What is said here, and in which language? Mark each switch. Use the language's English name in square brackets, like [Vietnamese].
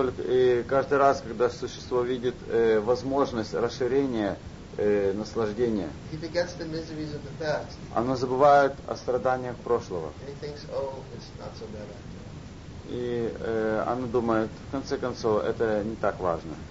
[Russian] И каждый раз, когда существо видит возможность расширения наслаждение. [English] He forgets the miseries of the past. [Russian] Оно забывает о страданиях прошлого. [English] And he thinks, oh, it's not so bad. [Russian] И оно думает, в конце концов, это не так важно.